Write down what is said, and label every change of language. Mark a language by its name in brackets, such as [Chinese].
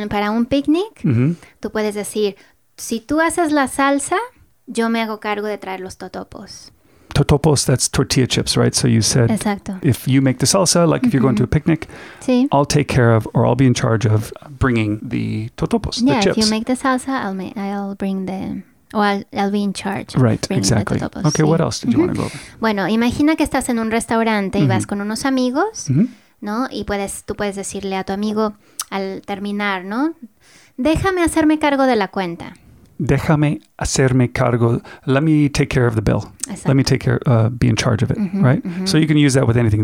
[Spanish] Para un picnic, tú puedes decir, si tú haces la salsa, yo me hago cargo de traer los totopos. [English] Totopos, that's tortilla chips, right? So you said, [Spanish] exacto. [English] If you make the salsa, like if you're going to a picnic, [Spanish] sí. [English] I'll take care of or I'll be in charge of bringing the totopos, yeah, the chips. Yeah, if you make the salsa, I'll bring the, or I'll be in charge. Right, exactly. [Spanish] Totopos, okay, sí. [English] What else did you want to go over? [Spanish] Bueno, imagina que estás en un restaurante y vas con unos amigos, ¿no? Y tú puedes decirle a tu amigo al terminar, ¿no? Déjame hacerme cargo de la cuenta. déjame hacerme cargo. [English] Let me take care of the bill. [Spanish] Exacto. [English] Let me take care, be in charge of it, mm-hmm, right? Mm-hmm. So you can use that with anything.